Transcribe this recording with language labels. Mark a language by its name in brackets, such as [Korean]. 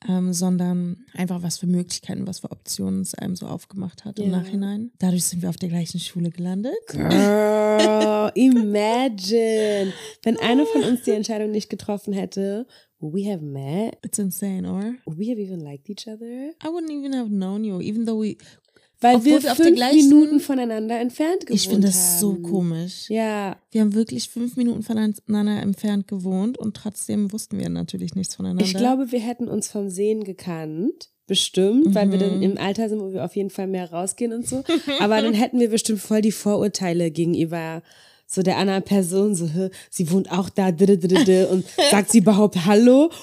[German] Sondern einfach was für Möglichkeiten, was für Optionen es einem so aufgemacht hat im Nachhinein. Dadurch sind wir auf der gleichen Schule gelandet. [English] Girl, imagine! [German] Wenn einer von uns die Entscheidung nicht getroffen hätte, [English] we have met. It's insane, or? We have even liked each other. I wouldn't even have known you, even though we... [German] Weil wir 5 Minuten voneinander entfernt gewohnt haben. Ich finde das So komisch. Ja. Wir haben wirklich 5 Minuten voneinander entfernt gewohnt und trotzdem wussten wir natürlich nichts voneinander. Ich glaube, wir hätten uns vom Sehen gekannt, bestimmt, weil wir dann im Alter sind, wo wir auf jeden Fall mehr rausgehen und so. Aber dann hätten wir bestimmt voll die Vorurteile gegenüber so der anderen Person, so, sie wohnt auch da, und sagt sie überhaupt Hallo?